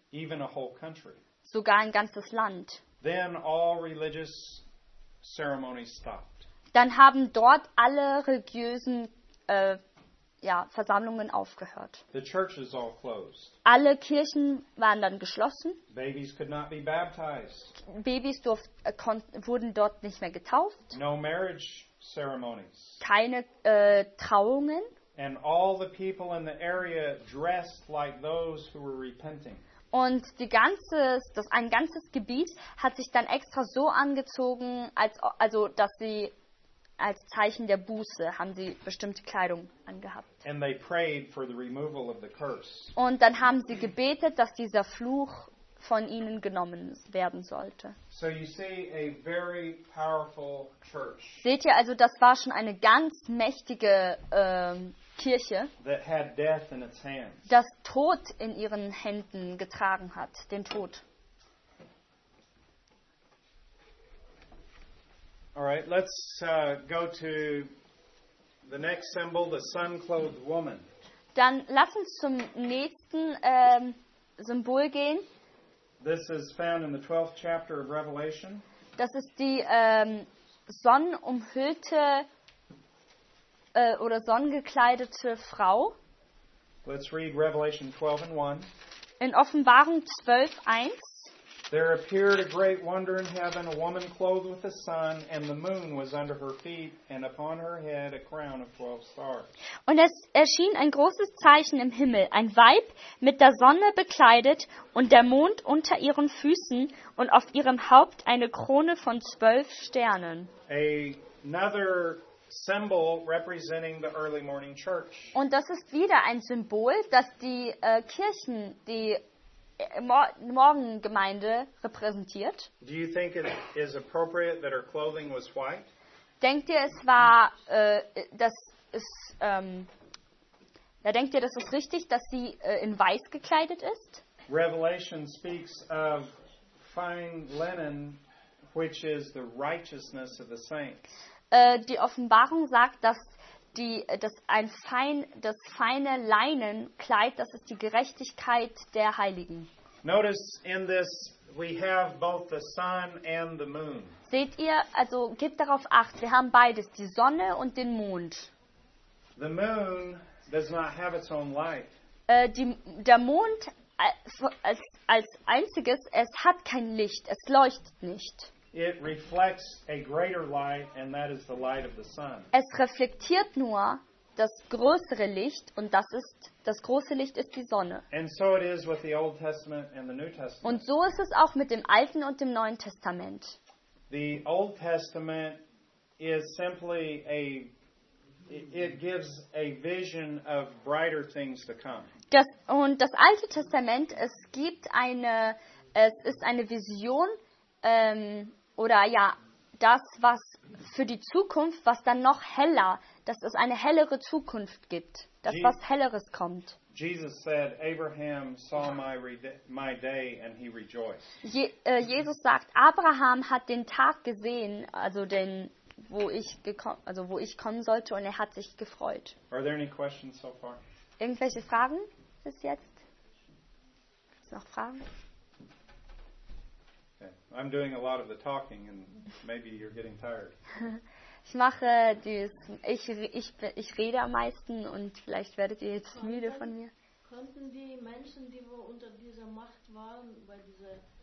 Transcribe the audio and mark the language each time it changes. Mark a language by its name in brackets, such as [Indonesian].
[English] Even a whole country. [German] Sogar ein ganzes Land. [English] Then all religious ceremonies stopped. [German] Dann haben dort alle religiösen Versammlungen aufgehört. [English] The churches all closed. [German] Alle Kirchen waren dann geschlossen. [English] Babies could not be baptized. [German] Babys wurden dort nicht mehr getauft. [English] No marriage ceremonies. [German] Keine Trauungen. [English] And all the people in the area dressed like those who were repenting. [German] Und die ganze, das, ein ganzes Gebiet hat sich dann extra so angezogen, als, also dass sie als Zeichen der Buße haben sie bestimmte Kleidung angehabt. [English] And they prayed for the removal of the curse. [German] Und dann haben sie gebetet, dass dieser Fluch von ihnen genommen werden sollte. [English] So you see a very powerful church. [German] Seht ihr also, das war schon eine ganz mächtige Kirche, [English] that had death in its hands. [German] Das Tod in ihren Händen getragen hat, den Tod. [English] All right, let's go to the next symbol, the sun-clothed woman. [German] Dann lass uns zum nächsten Symbol gehen. [English] This is found in the 12th chapter of Revelation. [German] Das ist die sonnenumhüllte oder sonnengekleidete Frau. [English] Let's read Revelation 12 and 1. [German] In Offenbarung 12, 1. [English] There appeared a great wonder in heaven, a woman clothed with the sun, and the moon was under her feet, and upon her head a crown of 12 stars. [German] Und es erschien ein großes Zeichen im Himmel, ein Weib mit der Sonne bekleidet und der Mond unter ihren Füßen und auf ihrem Haupt eine Krone von 12 Sternen. [English] Another symbol representing the early morning church. [German] Und das ist wieder ein Symbol, dass die Kirchen, die Morgengemeinde repräsentiert. [English] Do you think it is appropriate that her clothing was white? [German] Denkt ihr, es war, das ist, ja, denkt ihr, das ist richtig, dass sie in weiß gekleidet ist? [English] Revelation speaks of fine linen, which is the righteousness of the saints. [German] Die Offenbarung sagt, dass das feine Leinenkleid, das ist die Gerechtigkeit der Heiligen. [English] Notice in this we have both the sun and the moon. [German] Seht ihr, also gebt darauf acht, wir haben beides, die Sonne und den Mond. [English] The moon does not have its own light. [German] Der Mond als einziges, es hat kein Licht, es leuchtet nicht. [English] It reflects a greater light, and that is the light of the sun. [German] Es reflektiert nur das größere Licht, und das ist das große Licht ist die Sonne. [English] And so it is with the Old Testament and the New Testament. [German] Und so ist es auch mit dem Alten und dem Neuen Testament. [English] The Old Testament is simply it gives a vision of brighter things to come. [German] Das Alte Testament, es ist eine Vision. Oder ja, das, was für die Zukunft, was dann noch heller, dass es eine hellere Zukunft gibt, dass was Helleres kommt. [English] Jesus said, Abraham saw my day and he rejoiced. [German] Jesus sagt, Abraham hat den Tag gesehen, also den, wo ich kommen sollte, und er hat sich gefreut. [English] Are there any questions so far? [German] Irgendwelche Fragen bis jetzt? Gibt es noch Fragen? [English] I'm doing a lot of the talking and maybe you're getting tired. [German] Ich rede am meisten und vielleicht werdet ihr jetzt müde von mir. Konnten die Menschen, die wo unter dieser Macht waren, bei dieser